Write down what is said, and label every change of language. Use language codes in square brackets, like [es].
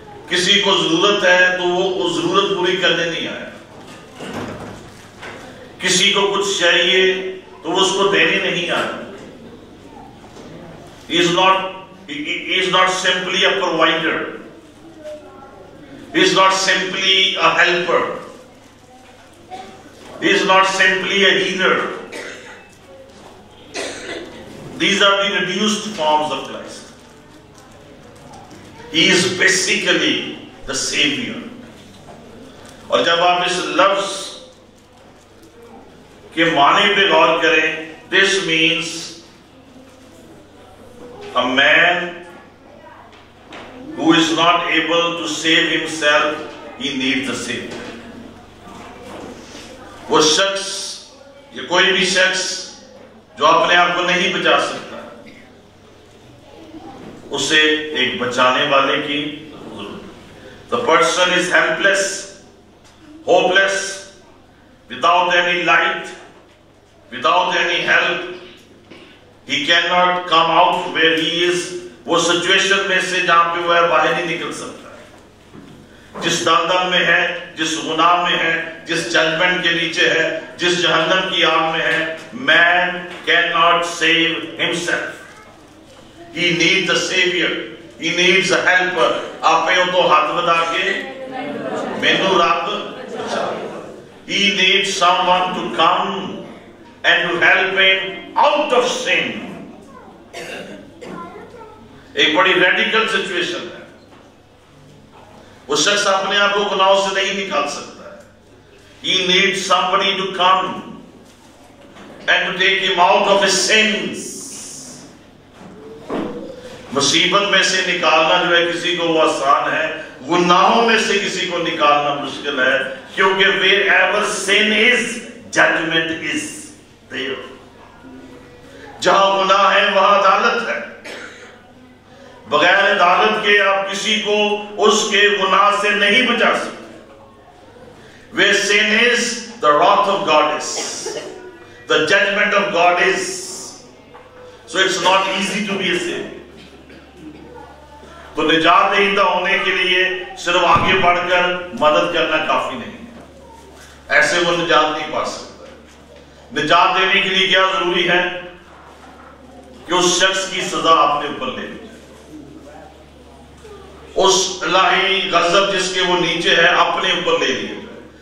[ur] کسی کو ضرورت ہے تو وہ ضرورت پوری کرنے نہیں آیا کسی کو کچھ چاہیے تو وہ اس کو دینے نہیں آیا [en] He is not simply a provider. He is not simply a helper. He is not simply a healer. These are the reduced forms of Christ. He is basically the Savior. [ur] اور جب آپ اس لفظ کے معنی پہ غور کریں [en] this means a man who is not able to save himself he needs the Savior. [ur] وہ شخص یا کوئی بھی شخص جو اپنے آپ کو نہیں بچا سکتا اسے ایک بچانے والے کی ضرورت ہے. [en] The person is helpless, hopeless, without any light, without any help. He cannot come out where he is. [ur] وہ سچویشن میں سے جہاں پہ وہ ہے باہر نہیں نکل سکتا ہے. جس دلدل میں ہے, جس گناہ میں ہے, جس ججمنٹ کے نیچے ہے, جس جہنم کی آگ میں ہے, [en] man cannot save himself. He needs a savior. He needs a helper. [pa] اپنے ہوں تو ہاتھ بدا کے مینو رب بچا. [en] He needs someone to come and to help him out of sin. [ur] ایک بڑی ریڈیکل سچویشن ہے. وہ شخص اپنے آپ کو گناہوں سے نہیں نکال سکتا ہے. [en] He needs somebody to come and to take him out of his sins. [ur] مصیبت میں سے نکالنا جو ہے کسی کو وہ آسان ہے, گناہوں میں سے کسی کو نکالنا مشکل ہے, کیونکہ [en] Wherever sin is judgment is there. [ur] جہاں گناہ ہے وہاں عدالت ہے. بغیر عدالت کے آپ کسی کو اس کے گناہ سے نہیں بچا سکتے. [en] Where sin is the wrath of God is the judgment of God is so it's not easy to be save. [ur] تو نجات دہندہ ہونے کے لیے صرف آگے بڑھ کر مدد کرنا کافی نہیں ہے. ایسے وہ نجات نہیں پا سکتا. نجات دینے کے لیے کیا ضروری ہے کہ اس شخص کی سزا اپنے اوپر لے لی جائے, اس الہی غضب جس کے وہ نیچے ہے اپنے اوپر لے لیا جائے.